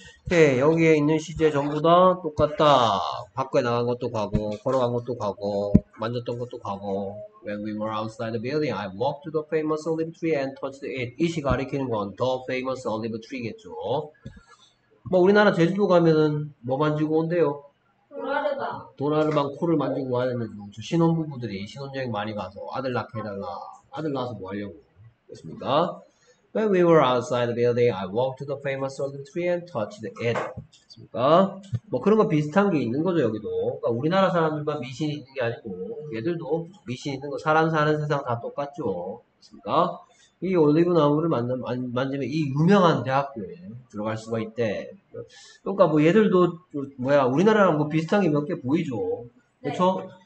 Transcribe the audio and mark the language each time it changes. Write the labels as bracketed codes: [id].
[ko] 오케이, 여기에 있는 시제 전부 다 똑같다. 밖에 나간 것도 과거, 걸어간 것도 과거, 만졌던 것도 과거. [en] When we were outside the building, I walked to the famous olive tree and touched it. [ko] 이시 가리키는 건 the famous olive tree겠죠. 뭐 우리나라 제주도 가면은 뭐 만지고 온대요? 도라르방 코를 만지고 와야 되는 거죠. 신혼부부들이 신혼여행 많이 가서 아들 낳게 해달라. 아들 낳아서 뭐 하려고? 됐습니까? [en] When we were outside the building, I walked to the famous olive tree and touched it. [ko] 됐습니까? 뭐 그런 거 비슷한 게 있는 거죠, 여기도. 그러니까 우리나라 사람들만 미신이 있는 게 아니고, 얘들도 미신이 있는 거, 사람 사는 세상 다 똑같죠. 됐습니까? 이 올리브 나무를 만지면 이 유명한 대학교에 들어갈 수가 있대. 그러니까 뭐 얘들도, 뭐야, 우리나라랑 뭐 비슷한 게몇개 보이죠. 그쵸?